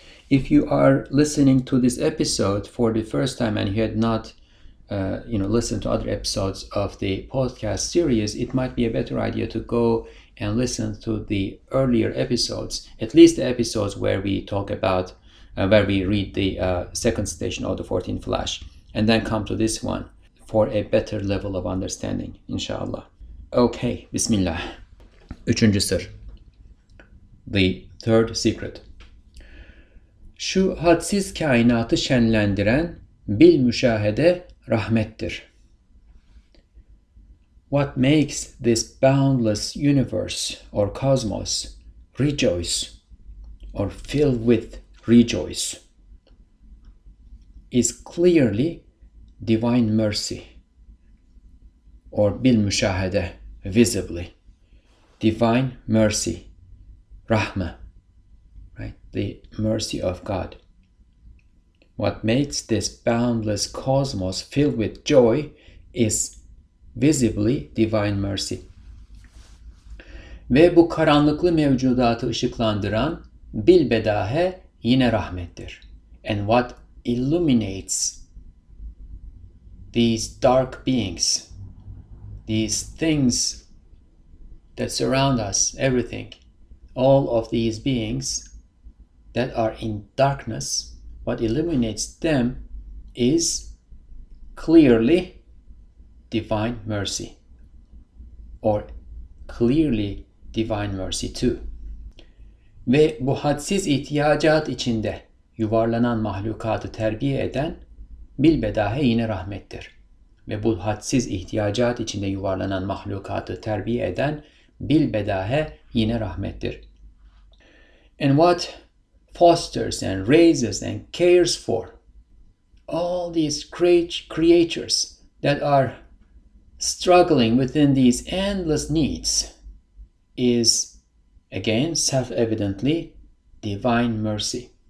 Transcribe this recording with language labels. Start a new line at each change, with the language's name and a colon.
English: If you are listening to this episode for the first time and you had not listened to other episodes of the podcast series, it might be a better idea to go and listen to the earlier episodes, at least the episodes where we talk about where we read the second station of the 14th flash, and then come to this one for a better level of understanding, inshallah. Okay, bismillah.
Turkish: Üçüncü sır,
English: the third secret.
Turkish: Şu hadsiz kainatı şenlendiren bil müşahede rahmettir.
English: What makes this boundless universe or cosmos rejoice or fill with rejoice is clearly divine mercy, or
Turkish: bil müşahede,
English: visibly divine mercy, rahma, right, the mercy of God. What makes this boundless cosmos filled with joy is visibly divine mercy.
Turkish: Ve bu karanlıklı mevcudatı ışıklandıran bil bedahe yine rahmettir.
English: And what illuminates these dark beings, these things that surround us, everything, all of these beings that are in darkness, what illuminates them is clearly divine mercy, or clearly divine mercy too.
Turkish: Ve bu hadsiz ihtiyacat içinde yuvarlanan mahlukatı terbiye eden bilbedahe yine rahmettir. Ve bu hadsiz ihtiyacat içinde yuvarlanan mahlukatı terbiye eden bilbedahe yine rahmettir.
English: And what fosters and raises and cares for all these creatures that are struggling within these endless needs is, again, self-evidently, divine mercy.